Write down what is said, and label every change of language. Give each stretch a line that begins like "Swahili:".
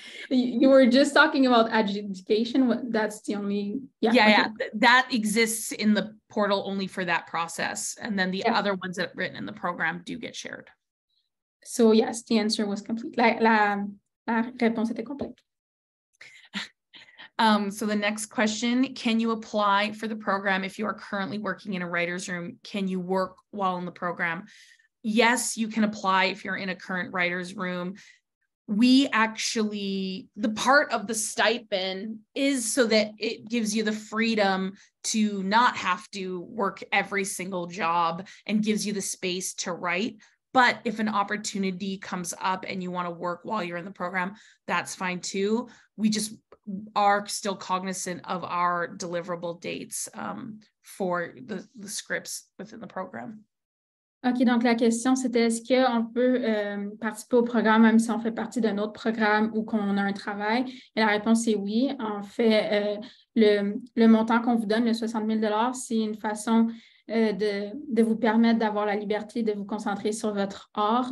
English: You were just talking about adjudication. That's the only... Yeah. That exists in the portal only for that process. And then the other ones that are written in the program do get shared. So yes, the answer was complete.
French: La réponse était complète.
English: So the next question, can you apply for the program if you are currently working in a writer's room? Can you work while in the program? Yes, you can apply if you're in a current writer's room. We actually, the part of the stipend is so that it gives you the freedom to not have to work every single job and gives you the space to write. But if an opportunity comes up and you want to work while you're in the program, that's fine too. We just are still cognizant of our deliverable dates for the scripts within the program.
French: OK, donc la question, c'était est-ce qu'on peut participer au programme même si on fait partie d'un autre programme ou qu'on a un travail? Et la réponse est oui. En fait, le montant qu'on vous donne, le 60 000 $, c'est une façon de vous permettre d'avoir la liberté de vous concentrer sur votre art.